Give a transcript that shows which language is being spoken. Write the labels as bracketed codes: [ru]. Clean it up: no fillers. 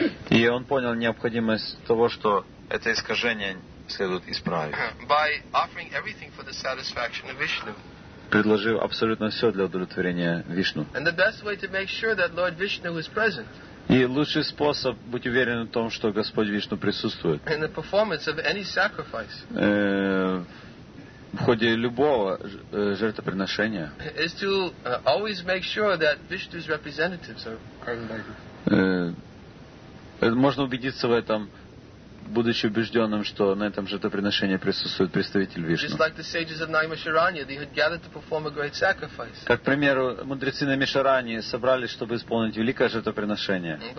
[ru] И он понял необходимость того, что это искажение следует исправить. [en] By offering everything for the satisfaction of Vishnu. [ru] Предложив абсолютно все для удовлетворения Вишну. [en] And the best way to make sure that Lord Vishnu is present. [ru] И лучший способ быть уверенным в том, что Господь Вишну присутствует. [en] In the performance of any sacrifice. [ru] В ходе любого жертвоприношения. [en] Is to always make sure that Vishnu's representatives are invited. [ru] Можно убедиться в этом, будучи убежденным, что на этом жертвоприношении присутствует представитель Вишну. Как, к примеру, мудрецы на Наймишарани собрались, чтобы исполнить великое жертвоприношение.